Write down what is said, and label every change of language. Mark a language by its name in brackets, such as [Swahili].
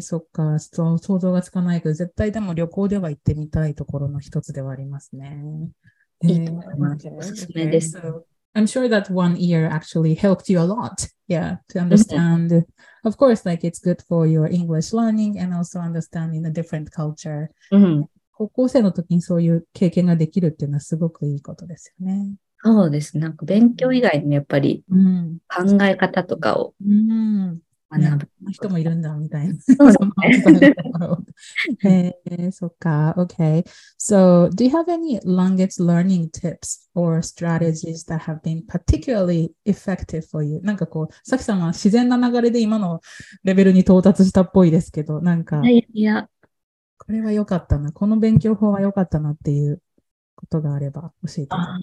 [Japanese] そっか、想像がつかないけど、絶対でも旅行では行ってみたいところの一つではありますね。いいと思います。おすすめです。 [English] I'm sure that 1 year actually helped you a lot. yeah, to understand. Mm-hmm. Of course, like it's good for your English learning and also understanding a different culture. Mm-hmm. [Japanese] 高校生の時にそういう経験ができるっていうのはすごくいいことですよね。そうですね。なんか勉強以外にもやっぱり考え方とかを学ぶ、うんうんね、人もいるんだみたいな。そうですね。そっか。Okay. [English] So, do you have any language learning tips or strategies that have been particularly effective for you? [Japanese] なんかこう、さきさんは自然な流れで今のレベルに到達したっぽいですけど、なんか。いや。これは良かったな。この勉強法は良かったなっていうことがあれば教えてください。